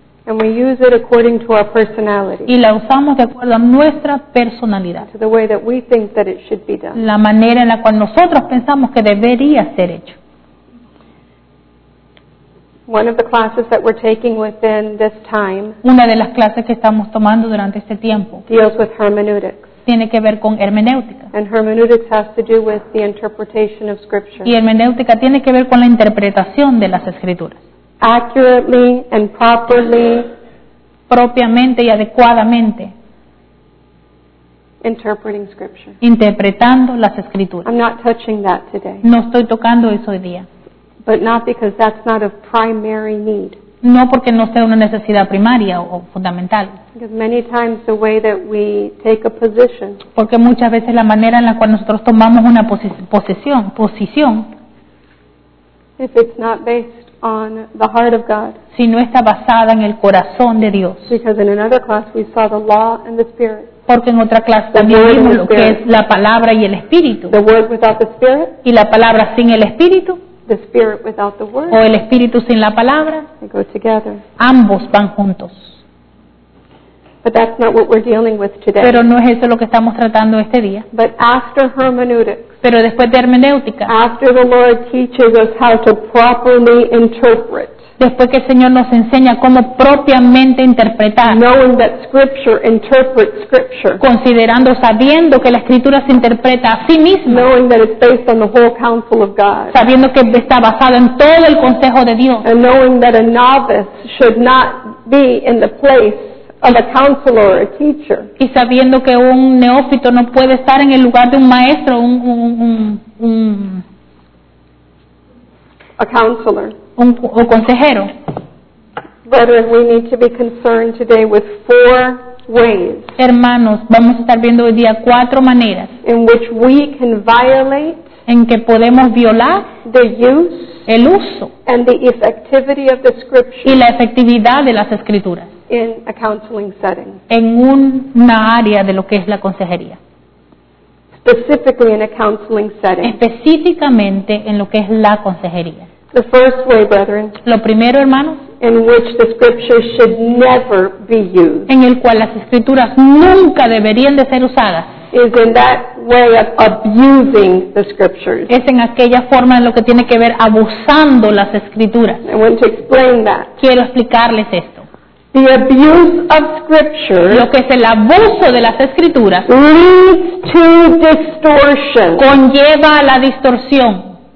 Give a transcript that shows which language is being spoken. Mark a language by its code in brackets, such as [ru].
[en] And we use it according to our personality. [es] Y la usamos de acuerdo a nuestra personalidad. [en] To the way that we think that it should be done. [es] La manera en la cual nosotros pensamos que debería ser hecho. [en] One of the classes that we're taking within this time. [es] Una de las clases que estamos tomando durante este tiempo. [en] Deals with hermeneutics. [es] Tiene que ver con hermenéutica. [en] And hermeneutics has to do with the interpretation of scripture. [es] Y hermenéutica tiene que ver con la interpretación de las escrituras. [en] Accurately and properly. [es] Propiamente y adecuadamente. [en] Interpreting scripture. [es] Interpretando las escrituras. [en] I'm not touching that today. [es] No estoy tocando eso hoy día. [en] But not because that's not of primary need. [es] No porque no sea una necesidad primaria o fundamental. [en] Because many times the way that we take a position. [es] Porque muchas veces la manera en la cual nosotros tomamos una posición. [en] If it's not based on the heart of God. [es] Si no está basada en el corazón de Dios. [en] Because in another class we saw the law and the spirit. [es] Porque en otra clase también vimos lo que es la palabra y el espíritu. [en] The word without the spirit. [es] Y la palabra sin el espíritu. [en] The spirit without the word. [es] O el espíritu sin la palabra. [en] They go together. [es] Ambos van juntos. [en] But that's not what we're dealing with today. [es] Pero no es eso lo que estamos tratando este día. [en] But after hermeneutics. [es] Pero después de hermenéutica. [en] After the Lord teaches us how to properly interpret. [es] después que el Señor nos enseña cómo propiamente interpretar, [en] knowing that scripture interprets scripture, [es] considerando, sabiendo que la escritura se interpreta a sí misma, [en] knowing that it's based on the whole counsel of God, [es] sabiendo que está basada en todo el consejo de Dios, [en] and knowing that a novice should not be in the place of a counselor or a teacher, [es] y sabiendo que un neófito no puede estar en el lugar de un maestro, un [en] a counselor, [es] un consejero. [en] Brethren, we need to be concerned today with four ways. [es] Hermanos, vamos a estar viendo hoy día cuatro maneras [en] in which we can violate, [es] en que podemos violar, [en] the use, [es] el uso, [en] and the effectivity of the scripture, [es] y la efectividad de las escrituras, [en] in a counseling setting, [es] en una área de lo que es la consejería. [en] Specifically in a counseling setting. [es] Específicamente en lo que es la consejería. [en] The first way, brethren, [es] lo primero, hermanos, [en] in which the scriptures should never be used, [es] en el cual las escrituras nunca deberían de ser usadas, [en] is in that way of abusing the scriptures. [es] Es en aquella forma en lo que tiene que ver abusando las escrituras. [en] I want to explain that. [es] Quiero explicarles esto. [en] The abuse of scripture, [es] lo que es el abuso de las escrituras, [en] leads to distortion, [es] conlleva a la distorsión,